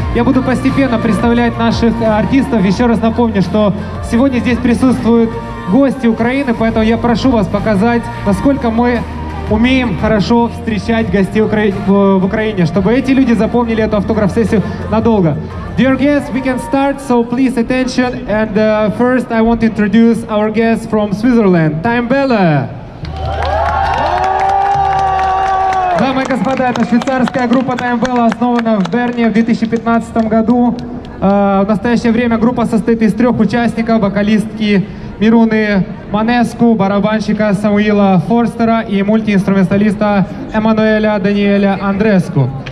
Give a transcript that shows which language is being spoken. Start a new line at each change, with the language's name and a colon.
Russian: Я буду постепенно представлять наших артистов. Еще раз напомню, что сегодня здесь присутствуют гости Украины, поэтому я прошу вас показать, насколько мы умеем хорошо встречать гостей в Украине, чтобы эти люди запомнили эту автограф-сессию надолго.
English: Dear guests, we can start, so please attention. And first I want to introduce our guest from Switzerland, Time Bella.
Russian: Дамы и господа, это швейцарская группа Time Bella, основана в Берне в 2015 году. В настоящее время группа состоит из трех участников, вокалистки Мируны Манеску, барабанщика Самуила Форстера и мультиинструменталиста Эммануэля Даниэля Андреску.